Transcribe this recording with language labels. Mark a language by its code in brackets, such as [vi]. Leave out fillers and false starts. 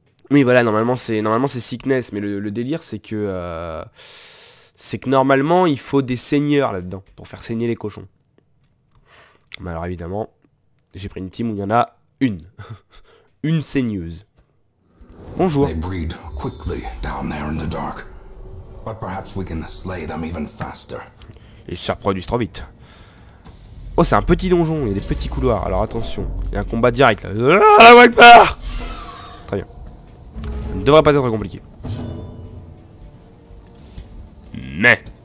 [fr] Oui, voilà, normalement c'est sickness. Mais le délire, c'est que... c'est que normalement, il faut des seigneurs là-dedans. Pour faire saigner les cochons. Mais alors évidemment... J'ai pris une team où il y en a une. Une saigneuse. Bonjour. [en] They breed quickly down there in the dark. But perhaps we can slay them even faster. [fr] Ils se reproduisent trop vite. Oh, c'est un petit donjon, il y a des petits couloirs. Alors attention, il y a un combat direct là. La Wildpar ! Très bien. Ça ne devrait pas être compliqué. Mais.